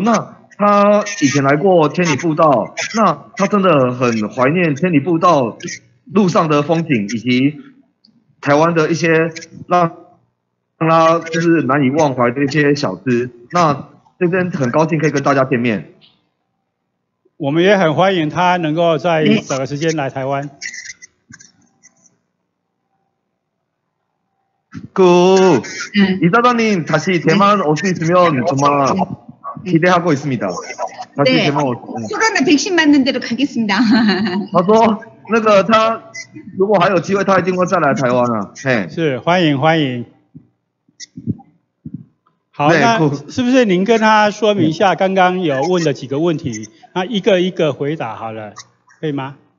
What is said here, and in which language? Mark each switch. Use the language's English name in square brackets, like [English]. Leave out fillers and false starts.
[Chinese] 那他以前来过千里步道，那他真的很怀念千里步道路上的风景，以及台湾的一些让他就是难以忘怀的一些小吃。那这边很高兴可以跟大家见面，我们也很欢迎他能够在找个时间来台湾。 [Korean] 고이사장님다시대만올수있으면정말기대하고있습니다다시대만올수 있으면코로나백신맞는대로가겠습니다 [Chinese] 他说那个他如果还有机会，他一定会再来台湾啊。是欢迎欢迎。好，那是不是您跟他说明一下刚刚有问的几个问题？那一个一个回答好了，可以吗？